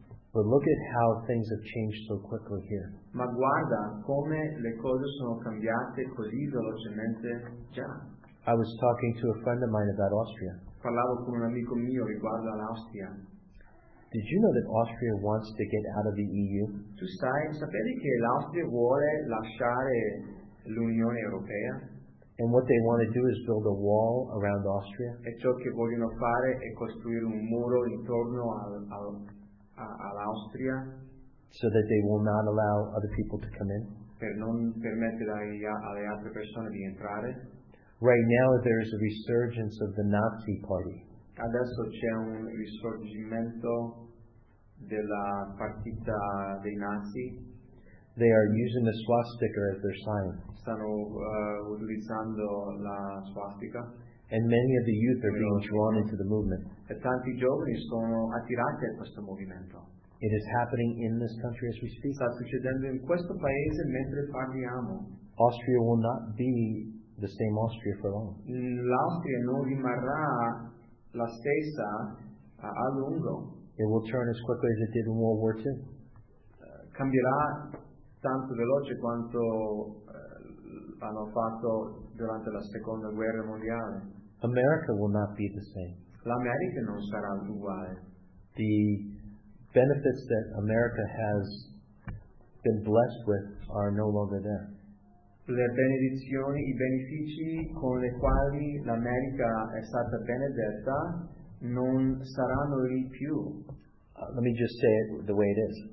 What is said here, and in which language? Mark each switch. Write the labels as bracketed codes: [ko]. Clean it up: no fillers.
[en] But look at how things have changed so quickly here. [it] Ma guarda come le cose sono cambiate così velocemente già. [en] I was talking to a friend of mine about Austria. [it] Parlavo con un amico mio riguardo all'Austria. [en] Did you know that Austria wants to get out of the EU? [it] Tu sai, sapevi che l'Austria vuole lasciare l'Unione Europea? [en] And what they want to do is build a wall around Austria. [it] E ciò che vogliono fare è costruire un muro intorno all'Austria. [en] So that they will not allow other people to come in. [it] Per non permettere alle altre persone di entrare. [en] Right now there is a resurgence of the Nazi Party. [it] Adesso c'è un risorgimento della partita dei Nazi. [en] They are using the swastika as their sign. [it] Stanno utilizzando la swastika. [en] And many of the youth are being drawn into the movement. [it] E tanti giovani sono attirati a questo movimento. [en] It is happening in this country as we speak. [it] Sta succedendo in questo paese mentre parliamo. [en] Austria will not be the same Austria for long. [it] L'Austria non rimarrà la stessa a lungo. [en] It will turn as quickly as it did in World War II. [it] Cambierà tanto veloce quanto hanno fatto durante la Seconda Guerra Mondiale. [en] America will not be the same. [it] L'America non sarà uguale. [en] The benefits that America has been blessed with are no longer there. [it] Le benedizioni, i benefici con le quali l'America è stata benedetta non saranno lì più. [en] Let me just say it the way it is.